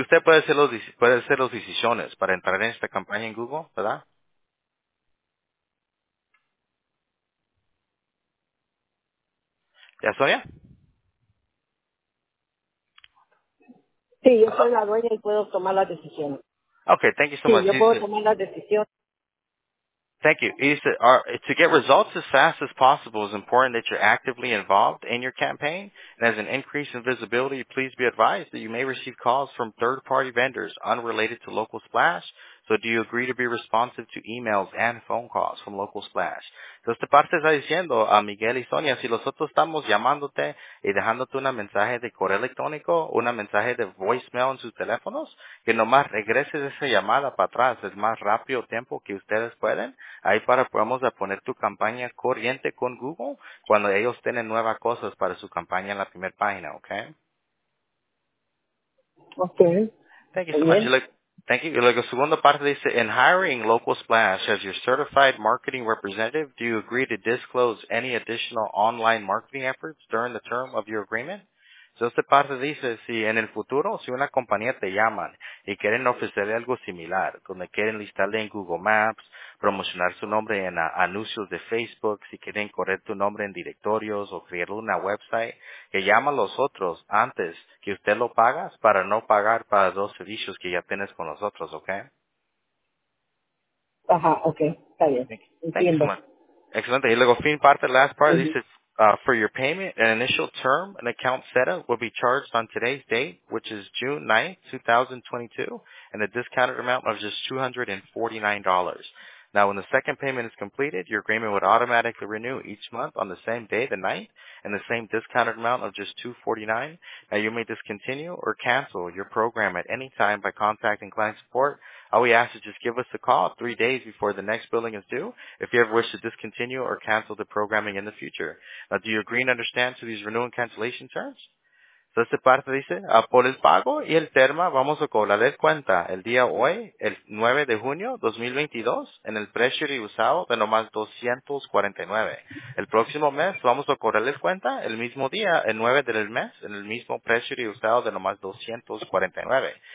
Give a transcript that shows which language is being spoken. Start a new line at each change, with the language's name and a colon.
Spanish: Si usted puede hacer las decisiones para entrar en esta campaña en Google, ¿verdad? ¿Ya, Sonia? Sí, yo soy la dueña y puedo tomar las decisiones.
English: Okay, thank you so much.
Spanish: Sí, yo puedo tomar las decisiones.
English: Thank you. To get results as fast as possible, it's important that you're actively involved in your campaign. And as an increase in visibility, please be advised that you may receive calls from third-party vendors unrelated to Local Splash. So do you agree to be responsive to emails and phone calls from Local Splash?
Spanish: Entonces, esta parte está diciendo a Miguel y Sonia, si nosotros estamos llamándote y dejándote un mensaje de correo electrónico, un mensaje de voicemail en sus teléfonos, que nomás regreses esa llamada para atrás, es más rápido tiempo que ustedes pueden, ahí para podamos poner tu campaña corriente con Google cuando ellos tienen nuevas cosas para su campaña en la primera página, ¿ok? Ok.
English: Thank you so much. Thank you.
Spanish: Like a segunda parte dice,
English: in hiring Local Splash as your certified marketing representative, do you agree to disclose any additional online marketing efforts during the term of your agreement?
Spanish: So esta parte dice, si en el futuro, si una compañía te llaman y quieren ofrecerle algo similar, donde quieren listarle en Google Maps, promocionar su nombre en anuncios de Facebook, si quieren correr tu nombre en directorios o crear una website, que llama a los otros antes que usted lo pagas para no pagar para dos servicios que ya tienes con nosotros, ¿ok? Ajá, ok, está bien. Entiendo. Excelente. Y luego fin parte,
English: last part,
Spanish: dice,
English: for your payment, an initial term and account setup will be charged on today's date, which is June 9, 2022, and a discounted amount of just $249. Now, when the second payment is completed, your agreement would automatically renew each month on the same day, the 9th, and the same discounted amount of just $249. Now, you may discontinue or cancel your program at any time by contacting client support. All we ask is just give us a call 3 days before the next billing is due if you ever wish to discontinue or cancel the programming in the future. Now, do you agree and understand to these renewal and cancellation terms?
Spanish: Entonces, parte dice, por el pago y el termo, vamos a cobrarle cuenta el día hoy, el 9 de junio 2022, en el precio reusado de nomás 249. El próximo mes, vamos a cobrarle cuenta el mismo día, el 9 del mes, en el mismo precio reusado de nomás 249.